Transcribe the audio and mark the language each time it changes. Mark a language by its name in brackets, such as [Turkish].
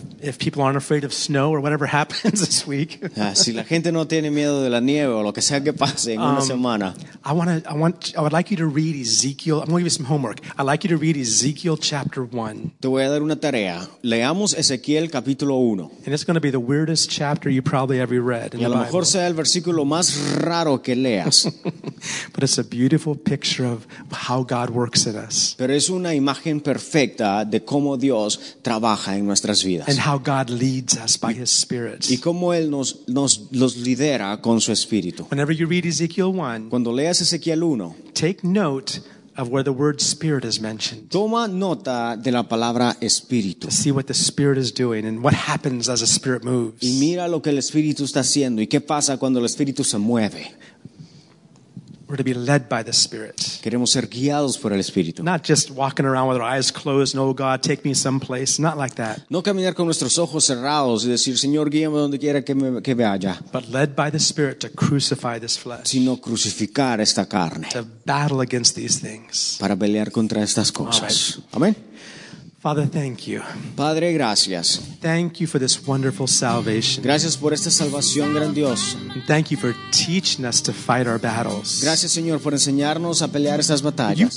[English] If people aren't afraid of snow or whatever happens this week. [Spanish] Si la gente no tiene miedo de la nieve o lo que sea que pase en una semana. [English] I would like you to read Ezekiel. I'm going to give you some homework. I'd like you to read Ezekiel chapter 1. [Spanish] Te voy a dar una tarea. Leamos Ezequiel capítulo 1. [English] And it's going to be the weirdest chapter you probably ever read in [Spanish] y a [English] the [Spanish] lo mejor [English] Bible. [Spanish] Sea el versículo más raro que leas. [English] But it's a beautiful picture of how God works in us. [Spanish] Pero es una imagen perfecta de cómo Dios trabaja en nuestras vidas. [English] And how God leads us by His Spirit. [Spanish] Y cómo Él nos lidera con su Espíritu. [English] Whenever you read Ezekiel 1, [Spanish] cuando leas Ezequiel 1, [English] take note of where the word spirit is mentioned. [Spanish] Toma nota de la palabra espíritu. [English] To see what the spirit is doing and what happens as a spirit moves. [Spanish] Y mira lo que el espíritu está haciendo y qué pasa cuando el espíritu se mueve. [English] We're to be led by the spirit. [Spanish] Queremos ser guiados por el espíritu. [English] Not just walking around with our eyes closed, no God, take me someplace. Not like that. [Spanish] No caminar con nuestros ojos cerrados y decir, Señor, guíame donde quiera que vaya. [English] But led by the spirit to crucify this flesh. [Spanish] Sino crucificar esta carne. [English] Battle against these things. [Spanish] Para pelear contra estas cosas. Amén. [English] Father, thank you. [Spanish] Padre, gracias. [English] Thank you for this wonderful salvation. [Spanish] Gracias por esta salvación grandiosa. [English] Thank you for teaching us to fight our battles. [Spanish] Gracias, Señor, por enseñarnos a pelear estas batallas.